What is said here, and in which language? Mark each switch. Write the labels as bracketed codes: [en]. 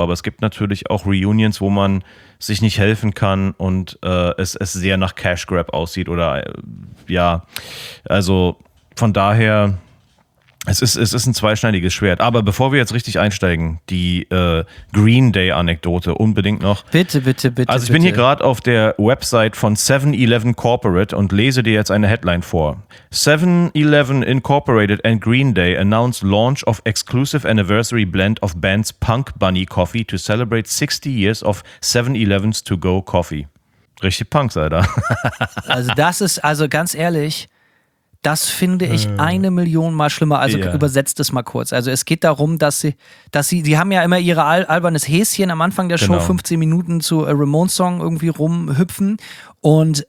[de] Aber es gibt natürlich auch Reunions, wo man sich nicht helfen kann und es sehr nach Cash Grab aussieht oder ja, also von daher, es ist ein zweischneidiges Schwert. Aber bevor wir jetzt richtig einsteigen, die Green Day Anekdote unbedingt noch. Bitte, bitte, bitte. Also ich bitte. Bin hier gerade auf der Website von 7-Eleven Corporate und lese dir jetzt eine Headline vor. [en] 7-Eleven Incorporated and Green Day announced launch of exclusive anniversary blend of band's Punk Bunny Coffee to celebrate 60 years of 7-Eleven's To-Go Coffee. [de] Richtig Punks, Alter. Also das ist, also ganz ehrlich, das finde ich eine Million mal schlimmer. Also yeah. Übersetzt es mal kurz. Also es geht darum, dass sie haben ja immer ihre albernes Häschen am Anfang der Show, 15 Minuten zu A Ramones Song irgendwie rumhüpfen. Und